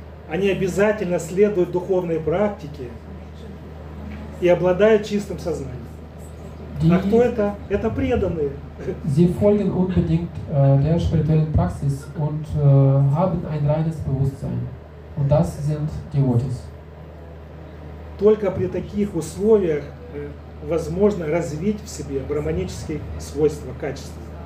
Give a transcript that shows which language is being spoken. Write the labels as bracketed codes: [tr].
[ru] Они обязательно следуют духовной практике и обладают чистым сознанием. А кто это? Это преданные. [de] Sie folgen unbedingt der spirituellen Praxis und haben ein reines Bewusstsein. Und das sind Devotees. [ru] Только при таких условиях возможно развить в себе брахманические свойства, качества.